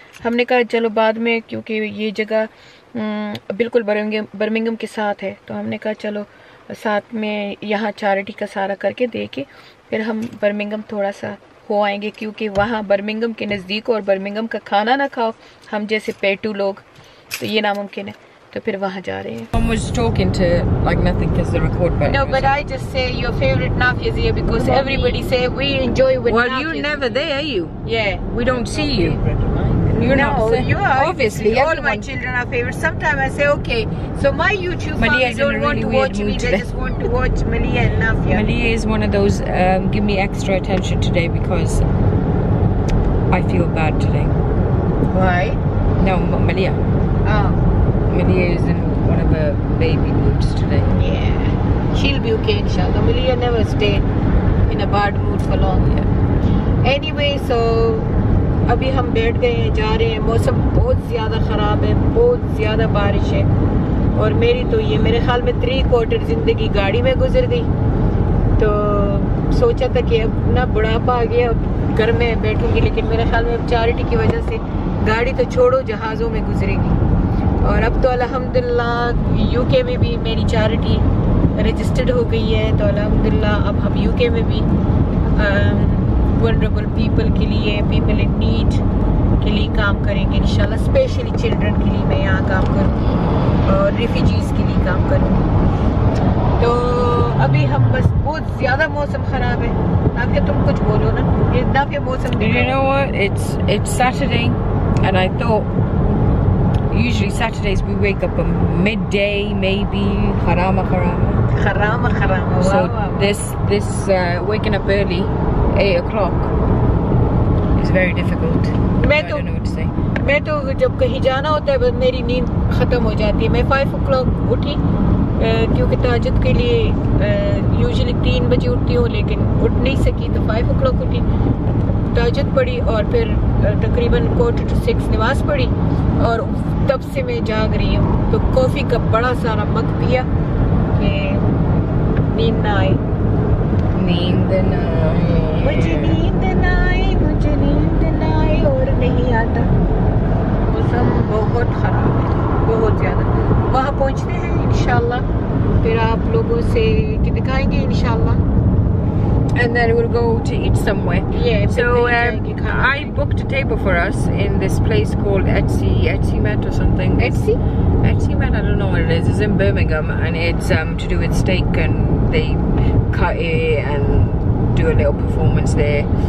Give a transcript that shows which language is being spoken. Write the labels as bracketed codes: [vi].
[hi] हमने कहा चलो बाद में, क्योंकि ये जगह बिल्कुल बर्मिंगम के साथ है, तो हमने कहा चलो साथ में यहाँ चैरिटी का सारा करके दे के फिर हम बर्मिंगम थोड़ा सा हो आएंगे, क्योंकि वहाँ बर्मिंगम के नज़दीक और बर्मिंगम का खाना ना खाओ हम जैसे पेटू लोग, तो ये नामुमकिन है। तो फिर वहाँ जा रहे हैं। [en] I was talking to like nothing because the record button. No, but I just say your favorite Nafia is here because well, everybody say we enjoy with Well, Nafia. You're never there, are you? Yeah. We don't see you. You're not. You are. Obviously, all my children are favorite. Sometimes I say, okay, so my YouTube family don't really want to watch me. Today. They just want to watch Malia and Nafia. Malia is one of those give me extra attention today because I feel bad today. Why? No, Malia. Oh. Malia is in one of her baby moods today. Yeah, she'll be okay inshallah. Malia never stay in a bad mood for long. Yeah. Anyway, so [hi] अभी हम बैठ गए हैं, जा रहे हैं। मौसम बहुत ज़्यादा ख़राब है, बहुत ज़्यादा बारिश है, और मेरी तो ये मेरे ख्याल में 3/4 ज़िंदगी गाड़ी में गुजर गई। तो सोचा था कि अब ना बुढ़ापा आ गया, अब घर में बैठूंगी, लेकिन मेरे ख्याल में अब चैरिटी की वजह से गाड़ी तो छोड़ो जहाज़ों में गुजरेगी। और अब तो अल्हम्दुलिल्लाह यूके में भी मेरी चैरिटी रजिस्टर्ड हो गई है, तो अल्हम्दुलिल्लाह अब हम यूके में भी वल्नरेबल पीपल के लिए, पीपल इन नीड के लिए काम करेंगे इंशाल्लाह। स्पेशली चिल्ड्रन के लिए मैं यहाँ काम करूँगी और रिफ्यूजीज़ के लिए काम करूँगी। तो अभी हम बस, बहुत ज़्यादा मौसम ख़राब है ना, फिर तुम कुछ बोलो ना, इतना फिर मौसम। [en] You know what? It's Saturday and I thought usually Saturdays we wake up at midday maybe, harama harama. Harama harama, wow. So wow. this waking up early, 8 o'clock, is very difficult. [hi] Main [en] I don't know what to say. [hi] Main to jab kahin jana hota hai meri neend khatam ho jati hai. Main 5 o'clock uthi kyunki tahajjud ke liye usually 3 baje uthti hu, lekin uth nahi saki to 5 o'clock uthi, तहज्जुद पढ़ी और फिर तकरीबन 4 to 6 नमाज पढ़ी, और तब से मैं जाग रही हूँ। तो कॉफ़ी का बड़ा सारा मग पिया कि नींद ना आए, नींद ना आए, मुझे नींद ना आए, मुझे नींद ना आए, और नहीं आता। मौसम बहुत ख़राब है, बहुत ज़्यादा। वहाँ पहुँचते हैं इंशाल्लाह, फिर आप लोगों से कि दिखाएंगे इंशाल्लाह। [en] and then we'll go to eat somewhere. Yeah. So I booked a table for us in this place called Etsy Met or something. Etsy Met. I don't know what it is. It's in Birmingham, and it's to do with steak, and they cut it and do a little performance there.